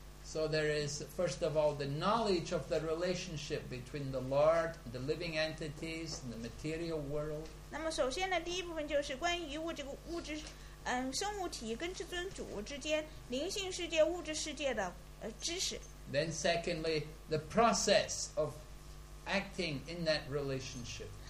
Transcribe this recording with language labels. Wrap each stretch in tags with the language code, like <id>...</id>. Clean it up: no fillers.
<en>So there is, first of all, the knowledge of the relationship between the Lord, the living entities, and the material world.</en> <zh>那么首先呢,第一部分就是关于物质,生物体跟至尊主之间,灵性世界,物质世界的知识。</zh> <en>Then secondly, the process of acting in that relationship.</en>